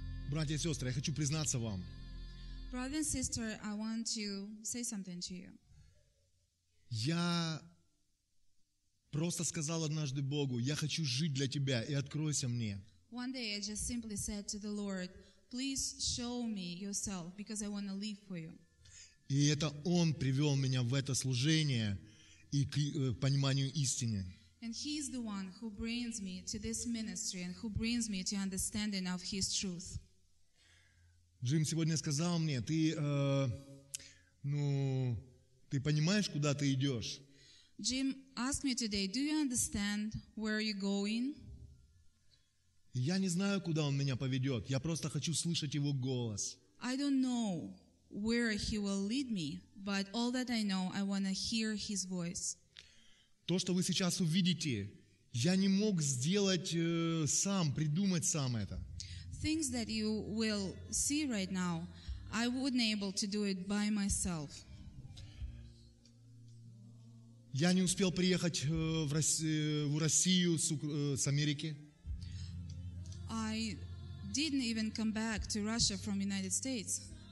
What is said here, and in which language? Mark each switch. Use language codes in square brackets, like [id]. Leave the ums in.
[ru] братья и сестры, я хочу признаться вам. [en] And sister, I want to say to you. [ru] Я просто сказал однажды Богу, я хочу жить для тебя и откройся мне. [en] One day I just simply said to the Lord, please show me yourself because I want to live for you. [ru] И это Он привел меня в это служение и к пониманию истины. [en] And He is the one who brings me to this ministry and who brings me to understanding of His truth. [ru] Джим сегодня сказал мне, ты, э, ну, ты понимаешь, куда ты идешь? [en] Джим, ask me today, do you understand where you're [ru] Я не знаю, куда он меня поведет. Я просто хочу слышать его голос. [en] I don't know where he will lead me, but all that I know, I want to hear his voice. [ru] То, что вы сейчас увидите, я не мог сделать э, сам, придумать сам это. [en] things that you will see right now, I wouldn't able to do it by myself. I didn't even come back to Russia from the United States.